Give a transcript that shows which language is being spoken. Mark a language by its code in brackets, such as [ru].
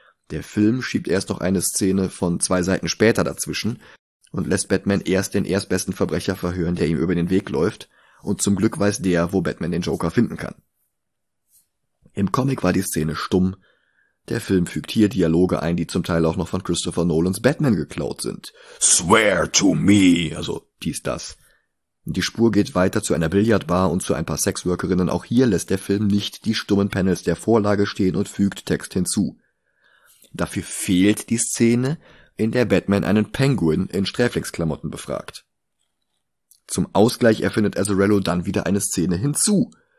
[de] Der Film schiebt erst noch eine Szene von zwei Seiten später dazwischen und lässt Batman erst den erstbesten Verbrecher verhören, der ihm über den Weg läuft, und zum Glück weiß der, wo Batman den Joker finden kann. Im Comic war die Szene stumm. Der Film fügt hier Dialoge ein, die zum Teil auch noch von Christopher Nolans Batman geklaut sind. [en] Swear to me, [de] also dies, das. Die Spur geht weiter zu einer Billardbar und zu ein paar Sexworkerinnen. Auch hier lässt der Film nicht die stummen Panels der Vorlage stehen und fügt Text hinzu. Dafür fehlt die Szene, in der Batman einen Penguin in Sträflingsklamotten befragt. Zum Ausgleich erfindet Azzarello dann wieder eine Szene hinzu.